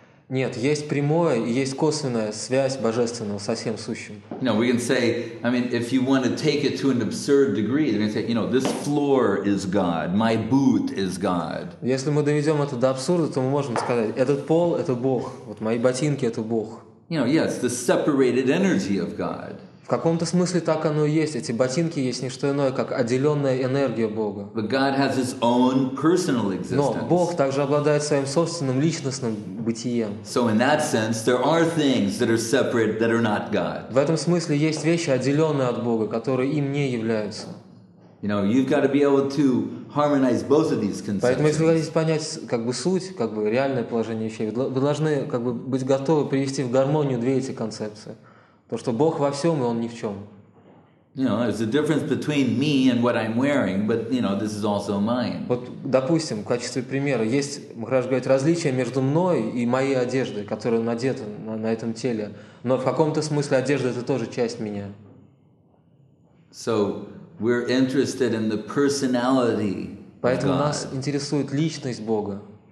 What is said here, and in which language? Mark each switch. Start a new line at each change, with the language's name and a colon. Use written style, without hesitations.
Russian: Нет, есть прямое и есть косвенная связь божественного со всем сущим.
English: No, we can say, I mean, if you want to take it to an absurd degree, they can say, you know, this floor is God, my boot is God.
Russian: Если мы доведем это до абсурда, то мы можем сказать, этот пол – это Бог, вот мои ботинки – это Бог.
English: You know, yes, the separated energy of God.
Russian: В каком-то смысле так оно и есть. Эти ботинки есть не что иное, как отделенная энергия Бога.
English: But God has his own personal existence.
Russian: Но Бог также обладает своим собственным личностным бытием.
English: So in that sense, there are things that are separate, that are not God.
Russian: В этом смысле есть вещи, отделенные от Бога, которые им не являются.
English: You know, you've got to be able to harmonize both of these concepts.
Russian: Поэтому, если вы хотите понять, как бы, суть, как бы, реальное положение вещей, вы должны, как бы, быть готовы привести в гармонию две эти концепции. То, что Бог во всем, и Он ни в чем.
English: You know, there's a difference between me and what I'm wearing, but, you know, this is also mine.
Russian: Вот, допустим, в качестве примера, есть, Махарадж говорит, различие между мной и моей одеждой, которая надета на этом теле. Но в каком-то смысле одежда – это тоже часть меня.
English: So, we're interested in the personality of God.
Russian: Поэтому нас интересует личность Бога.